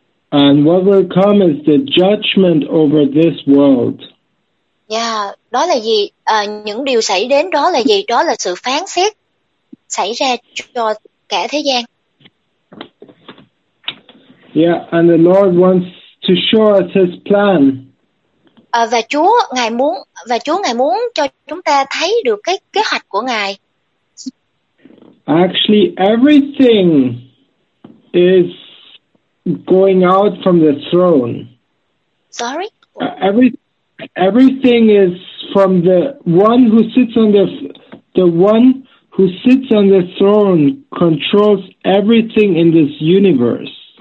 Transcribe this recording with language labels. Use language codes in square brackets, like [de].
[en] And what will come is the judgment over this world. [vi] Yeah, đó là gì? Những điều xảy đến đó là gì? Đó là sự phán xét xảy ra cho cả thế gian. [en] Yeah, and the Lord wants to show us His plan. [vi] Và Chúa ngài muốn cho chúng ta thấy được cái kế hoạch của ngài. [en] Actually, everything is going out from the throne. Sorry? Everything is from the one who sits on the throne controls everything in this universe.